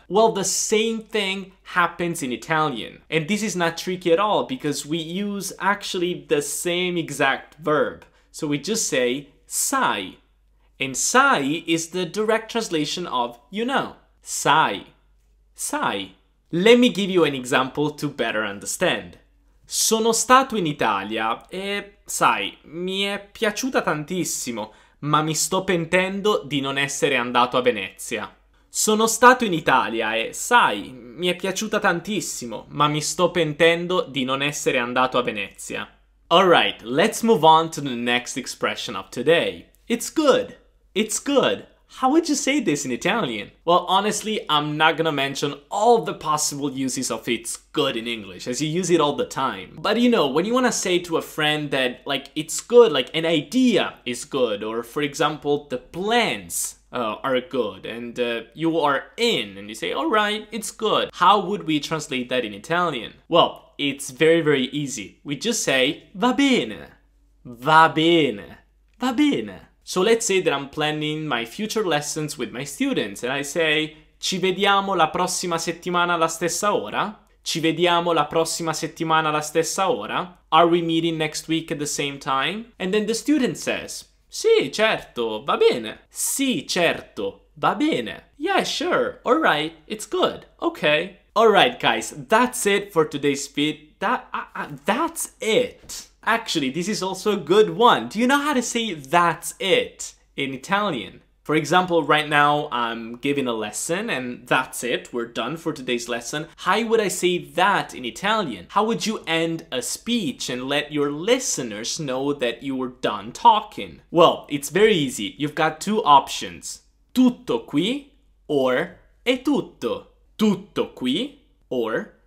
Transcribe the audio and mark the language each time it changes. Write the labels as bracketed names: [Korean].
[English] Well, the same thing happens in Italian. And this is not tricky at all because we use actually the same exact verb. So we just say, sai. And sai is the direct translation of you know. Sai. Sai. Let me give you an example to better understand. [Italian] Sono stato in Italia e, sai, mi è piaciuta tantissimo, ma mi sto pentendo di non essere andato a Venezia. Sono stato in Italia e, sai, mi è piaciuta tantissimo, ma mi sto pentendo di non essere andato a Venezia. [English] Alright, let's move on to the next expression of today. It's good. It's good. How would you say this in Italian? Well, honestly, I'm not gonna mention all the possible uses of it's good in English, as you use it all the time. But you know, when you wanna say to a friend that, like, it's good, like, an idea is good, or, for example, the plans are good, and you are in, and you say, alright, it's good. How would we translate that in Italian? Well, it's very, very easy. [Italian] We just say, va bene. Va bene. Va bene. [English] So let's say that I'm planning my future lessons with my students and I say [Italian] ci vediamo la prossima settimana alla stessa ora? Ci vediamo la prossima settimana alla stessa ora? [English] Are we meeting next week at the same time? And then the student says [Italian] sì, certo, va bene. Sì, certo, va bene. [English] Yeah, sure, all right, it's good, okay. All right, guys, that's it for today's speed. That's it. Actually, this is also a good one. Do you know how to say that's it in Italian? For example, right now I'm giving a lesson and that's it. We're done for today's lesson. How would I say that in Italian? How would you end a speech and let your listeners know that you were done talking? Well, it's very easy. You've got two options. [Italian] Tutto qui or è tutto. Tutto qui or